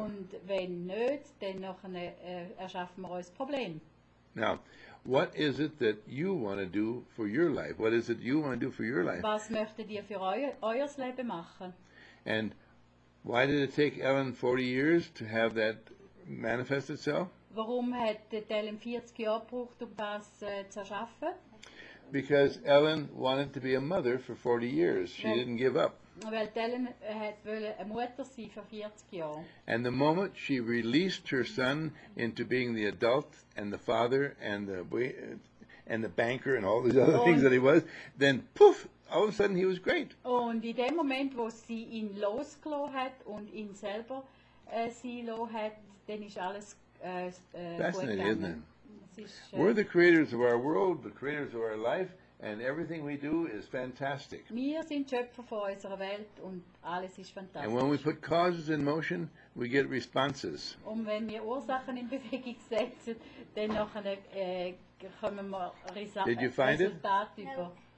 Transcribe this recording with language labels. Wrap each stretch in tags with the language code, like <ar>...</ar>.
<de>Und wenn nicht, dann nachher erschaffen wir uns Problem.</de> <en>Now, what is it that you want to do for your life? What is it you want to do for your life?</en> <de>Was möchtet ihr für euer Leben machen?</de> <en>And why did it take Ellen 40 years to have that manifest itself?</en> <de>Warum hat Ellen 40 Jahre gebraucht, um das zu erschaffen?</de> <en>Because Ellen wanted to be a mother for 40 years. She didn't give up.</en> <de>Weil Ellen hat wollte eine Mutter sein für 40 Jahre.</de> <en>And the moment she released her son into being the adult and the father and the banker and all these other things that he was, then poof! All of a sudden, he was great.</en> <de>Und in dem Moment, wo sie ihn losgelassen hat und ihn selber sie gelassen hat, dann ist alles fascinating, gut gegangen.</de> <en>Isn't it? We're the creators of our world, the creators of our life, and everything we do is fantastic.</en> <de>Wir sind Schöpfer von unserer Welt und alles ist fantastisch.</de> <en>And when we put causes in motion, we get responses.</en> <de>Und wenn wir Ursachen in Bewegung setzen, dann nachher kommen wir Resultate über.</de>